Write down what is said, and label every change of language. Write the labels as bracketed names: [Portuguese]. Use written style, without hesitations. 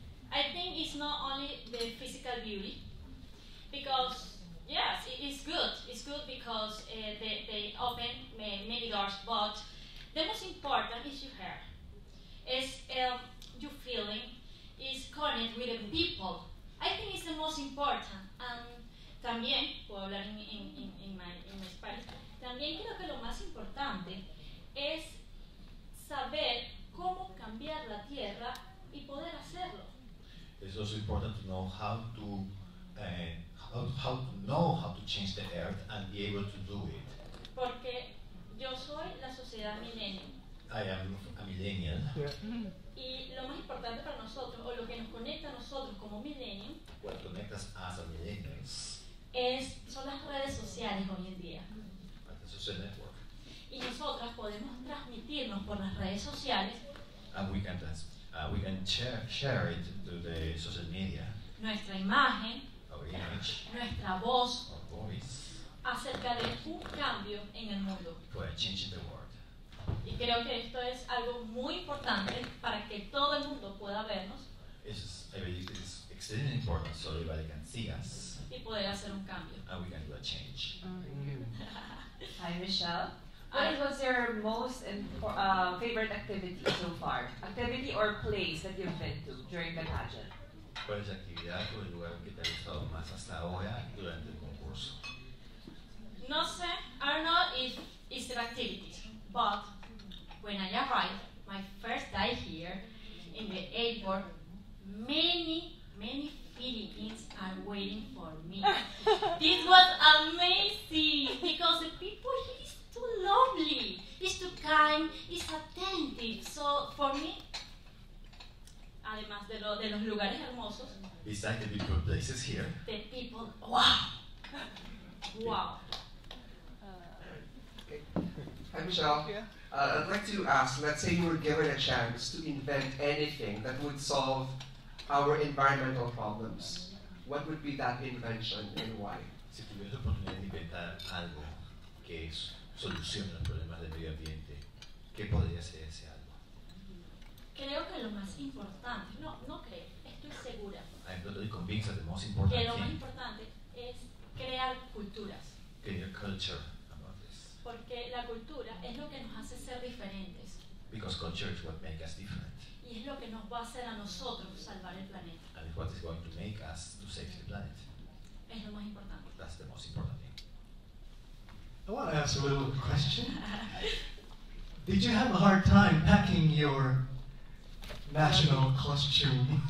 [English] I think it's not only the physical beauty, because, yes, it is good. It's good because they open many doors, but the most important is your hair. It's your feeling is connected with the people. I think it's the most important. [Spanish] También, puedo hablar en mi español, también creo que lo más importante es saber cómo cambiar la tierra y poder hacerlo. [English] It's also important to know how to change the earth and be able to do it. [Spanish] Porque yo soy la sociedad milenio. [English] I am a millennial. Yeah. [Spanish] Y lo más importante para nosotros, o lo que nos conecta a nosotros como milenio, [English] what connects us as millennials, [Spanish] son las redes sociales hoy en día. [English] The social network. [Spanish] Y nosotras podemos transmitirnos por las redes sociales. [English] And we can share it through the social media. [Spanish] Nuestra imagen. [English] Our image. [Spanish] Nuestra voz. [English] Our voice. [Spanish] Acerca de un cambio en el mundo. [English] For changing the world. [Spanish] Y creo que esto es algo muy importante para que todo el mundo pueda vernos. [English] It's extremely important so everybody can see us. [Spanish] Y poder hacer un cambio. [English] And we can do a change. Mm-hmm. Hi, Michelle. What was your most favorite activity so far? Activity or place that you've been to during the pageant? [Spanish] ¿Cuál es la actividad o el lugar que te ha gustado más hasta ahora durante el concurso? No sé, [English] I don't know if it's the activity, but when I arrived, my first day here in the airport, many Philippines are waiting for me. This was amazing because the people here is too lovely, is too kind, is attentive. So for me, [Spanish] además de los lugares hermosos, [English] besides the beautiful places here, the people, wow. Hi, Michelle. Yeah. I'd like to ask, let's say you were given a chance to invent anything that would solve our environmental problems. What would be that invention and why? [Spanish] Si tuvieras oportunidad de inventar algo que solucione los problemas del medio ambiente, ¿qué podría ser ese algo? Creo que lo más importante, no creo, estoy segura. [English] I'm totally convinced that the most important thing. [Spanish] Que lo más importante es crear culturas. [English] Create a culture about this. [Spanish] Porque la cultura es lo que nos hace ser diferentes. [English] Because culture is what makes us different. [Spanish] Y es lo que nos va a hacer a nosotros salvar el planeta. [English] And what is going to make us to save the planet. [Spanish] Es lo más importante. [English] That's the most important thing. I want to ask a little question. Did you have a hard time packing your national costume?